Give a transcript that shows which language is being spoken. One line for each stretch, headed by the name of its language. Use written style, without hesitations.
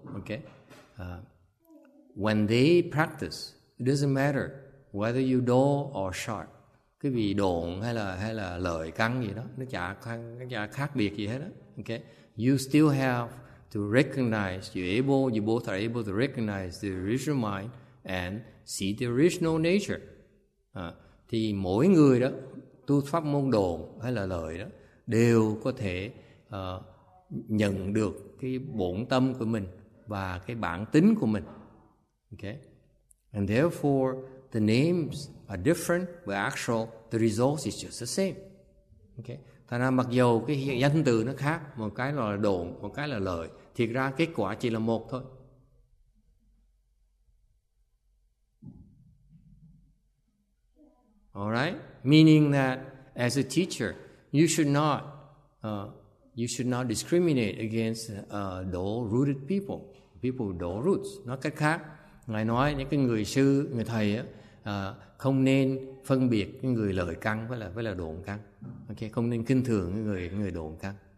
English: Okay, when they practice, it doesn't matter whether you dull or sharp,
Vietnamese: cái vị độn hay là lợi căn gì đó, nó chả khác biệt gì hết á.
English: Okay, you still have to recognize, you both are able to recognize the original mind and see the original nature.
Vietnamese: Thì mỗi người đó tu pháp môn đồn hay là lời đó đều có thể nhận được cái bổn tâm của mình và cái bản tính của mình.
English: Okay, and therefore the names are different, but actual the results is just the same.
Vietnamese: Okay, thành ra mặc dù cái danh từ nó khác, một cái là đồn, một cái là lời, thiệt ra kết quả chỉ là một thôi.
English: All right, meaning that as a teacher, you should not discriminate against dull rooted people with dull roots.
Vietnamese: Nói cách khác, ngài nói những cái người sư, người thầy á, không nên phân biệt cái người lợi căn với là đồn căn. Okay, không nên khinh thường người đồn căn.